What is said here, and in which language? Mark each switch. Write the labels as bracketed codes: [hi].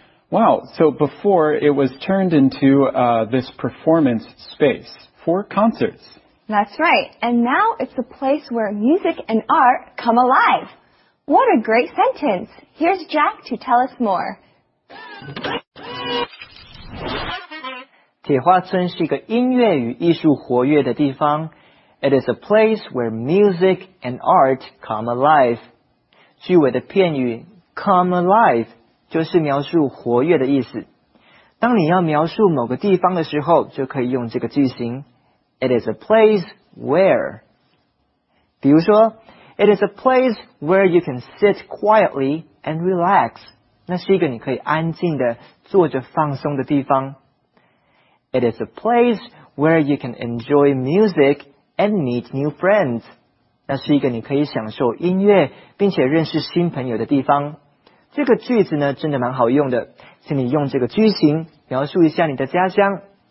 [en] Wow, so before it was turned into this performance space for concerts. That's right, and now it's a place where music and art come alive. What a great sentence! Here's Jack to tell us more. [zh] 铁花村是一个音乐与艺术活跃的地方。 [en] It is a place where music and art come alive. [zh] 句尾的片语 come alive 就是描述活跃的意思。当你要描述某个地方的时候，就可以用这个句型。 [en] It is a place where. [zh] 比如说 [en] ,it is a place where you can sit quietly and relax. [zh] 那是一个你可以安静的坐着放松的地方。 [en] It is a place where you can enjoy music and meet new friends. [zh] 那是一个你可以享受音乐并且认识新朋友的地方。这个句子呢真的蛮好用的。请你用这个句型描述一下你的家乡。